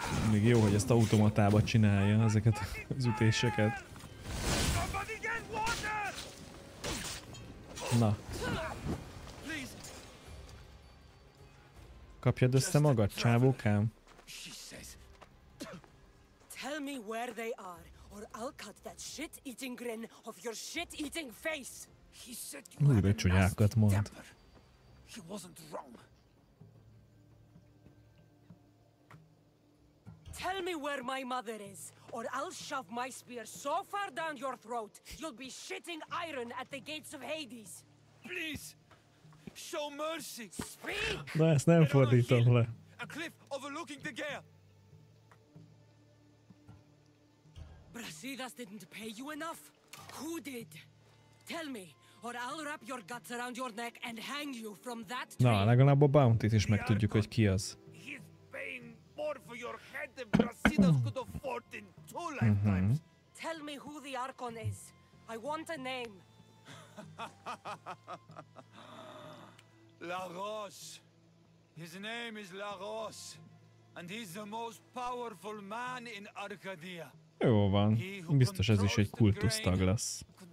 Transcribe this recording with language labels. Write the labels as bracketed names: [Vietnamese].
[Hungarian] Még jó, hogy ezt automatába csinálja ezeket az ütéseket. Na. Kapjad össze magad, csávókám? [English] Tell me where they are. Or I'll cut that shit-eating grin of your shit-eating face. He said you had a nasty temper. He wasn't wrong. Tell me where my mother is, or I'll shove my spear so far down your throat, you'll be shitting iron at the gates of Hades. Please, show mercy. Speak! [Hungarian] Na, ezt nem fordítom le. [English] A cliff overlooking the gear. Brasidas didn't pay you enough? Who did? Tell me, or I'll wrap your guts around your neck and hang you from that tree. [Hungarian] Na, legalább a Bounty-t is megtudjuk, hogy ki az. [English] He's paying more for your head than Brasidas could afford in two lifetimes. Tell me who the Archon is. I want a name. La Rose. His name is La Rose. And he's the most powerful man in Arcadia. [Hungarian] Jó van, biztos ez is egy kultusztag lesz.